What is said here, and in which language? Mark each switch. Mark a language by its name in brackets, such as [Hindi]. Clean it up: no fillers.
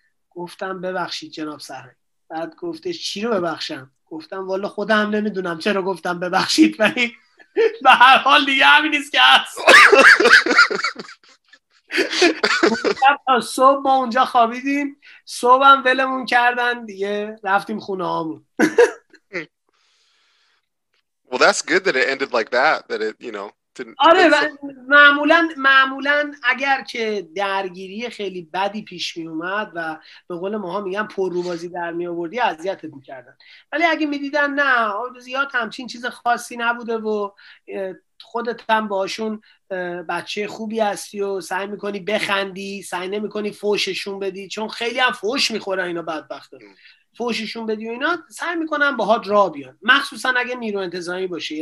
[Persian] گفتم ببخشید جناب سرهنگ. بعد گفتش چی رو ببخشم؟ گفتم والا خودم نمیدونم چرا گفتم ببخشید، ولی به هر حال دیگه همین نیست که هست. تا صبح ما اونجا خوابیدیم، صبح هم ولمون کردن دیگه رفتیم خونه هامون. [English] Well, that's good that it ended like that it, you know, didn't... [Persian] آره معمولا اگر که درگیری خیلی بدی پیش می اومد و به قول ماها میگن پرروبازی در می آوردی اذیتت میکردن، ولی اگه میدیدن نه زیاد همچین چیز خاصی نبوده و خودت هم باشون بچه خوبی هستی و سعی میکنی بخندی، سعی نمیکنی فوششون بدی، چون خیلی هم فوش میخورن اینا بدبخته، فوششون بدی و اینا، سعی میکنن باهات راه بیان، مخصوصا اگه نیرو انتظامی باشه.